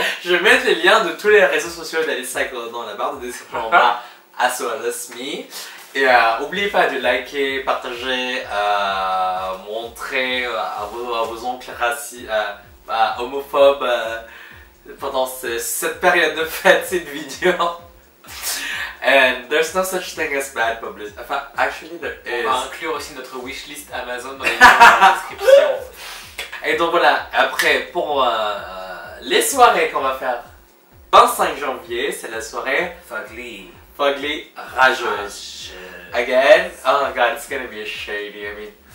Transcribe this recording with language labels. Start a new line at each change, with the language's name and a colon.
French: Je vais mettre les liens de tous les réseaux sociaux d'Alice Cycle dans la barre de description en bas. Asso Alice Me. Et n'oubliez pas de liker, partager, montrer à vos oncles homophobes pendant cette période de fête, cette vidéo.
English: And there's no such thing as bad publicity. Enfin, actually, there is.
French: On va inclure aussi notre wishlist Amazon dans les liens dans la description. Et donc voilà, après, pour. Les soirées qu'on va faire 25 janvier, c'est la soirée Fugly. Fugly rageuse. Again?
English: Oh my god, it's gonna be a shady, I mean.